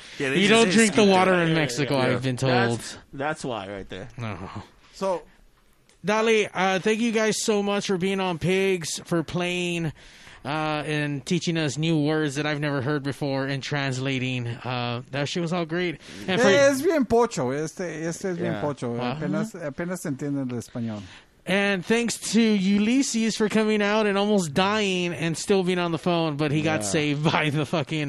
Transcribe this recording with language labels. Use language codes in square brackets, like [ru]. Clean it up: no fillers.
[en] Yeah, you don't drink the water in Mexico, I've been told. That's why right there. No. So, Dali, thank you guys so much for being on Pigs, for playing and teaching us new words that I've never heard before and translating. That shit was all great. [es] Es bien pocho. Este es bien pocho. Apenas entienden el español. [en] And thanks to Ulysses for coming out and almost dying and still being on the phone, but he got saved by the fucking